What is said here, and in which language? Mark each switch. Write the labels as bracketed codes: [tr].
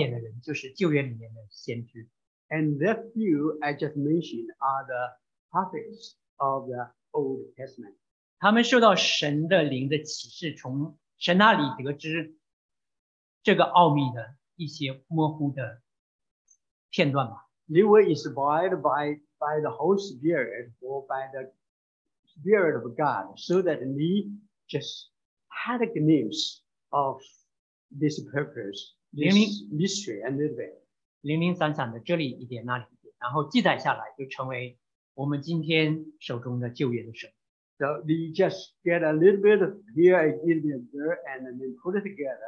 [zh] 这极少数知道一点的人就是旧约里面的先知。 [en] And the few I just mentioned are the prophets of the Old Testament. [zh] 他们受到神的灵的启示，从神那里得知这个奥秘的一些模糊的片段吧。 [en] They were inspired by the Holy Spirit or by the Spirit of God so that they just had a glimpse of this purpose, this mystery and event. [zh] 零零散散的，这里一点那里一点，然后记载下来，就成为我们今天手中的旧约的神。 [en] So we just get a little bit of here, a little bit of there, and then put it together.